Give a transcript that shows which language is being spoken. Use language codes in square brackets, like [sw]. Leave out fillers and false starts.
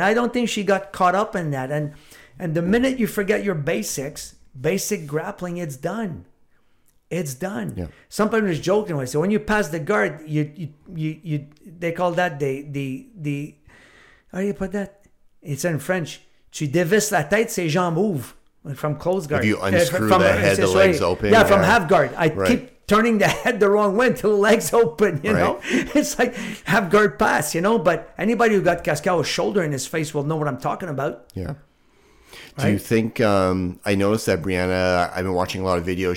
[en] I don't think she got caught up in that. And the minute you forget your basics, basic grappling, it's done. It's done. Yeah. Some people just joking away. So when you pass the guard, you they call that the how do you put that? It's in French. [fr] Tu dévisses la tête, ses jambes ouvrent. [en] From close guard. If you unscrew from the head, the legs right. open. Yeah, from half guard. I keep turning the head the wrong way until the legs open, you know? It's like half guard pass, you know? But anybody who got Cascao's shoulder in his face will know what I'm talking about. Yeah. Do you think, I noticed that Brianna, I've been watching a lot of videos.